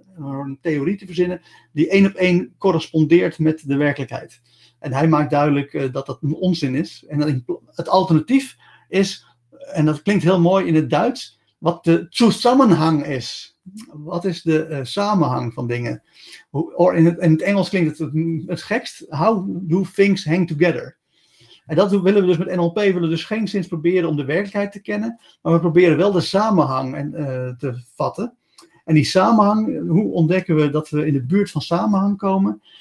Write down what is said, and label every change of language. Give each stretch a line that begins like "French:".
Dutch: Door een theorie te verzinnen die 1-op-1 correspondeert met de werkelijkheid. En hij maakt duidelijk dat een onzin is. En het alternatief is, en dat klinkt heel mooi in het Duits, wat de zusammenhang is. Wat is de samenhang van dingen? In het Engels klinkt het gekst.
English: How do things hang together?
Dutch: En dat willen we dus met NLP. We willen dus geen zins proberen om de werkelijkheid te kennen. Maar we proberen wel de samenhang te vatten. En die samenhang, hoe ontdekken we dat we in de buurt van samenhang komen?